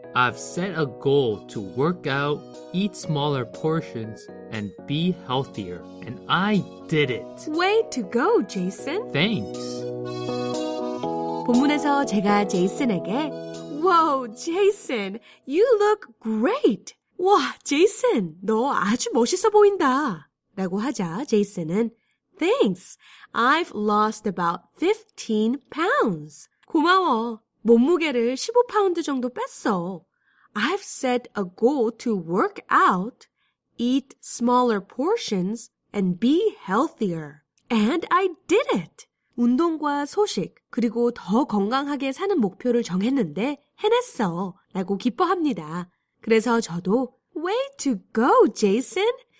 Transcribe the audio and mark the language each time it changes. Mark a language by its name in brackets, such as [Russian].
[English] I've set a goal to work out, eat smaller portions, and be healthier. And I did it. Way to go, Jason. Thanks. [Korean] 본문에서 제가 제이슨에게 [English] Wow, Jason, you look great! [Korean] 와, 제이슨, 너 아주 멋있어 보인다! 라고 하자 제이슨은 [English] Thanks, I've lost about 15 pounds. [Korean] 고마워, 몸무게를 15파운드 정도 뺐어. [English] I've set a goal to work out, eat smaller portions, and be healthier. And I did it! [Korean] 운동과 소식, 그리고 더 건강하게 사는 목표를 정했는데 해냈어 라고 기뻐합니다. 그래서 저도 [English] Way to go, Jason!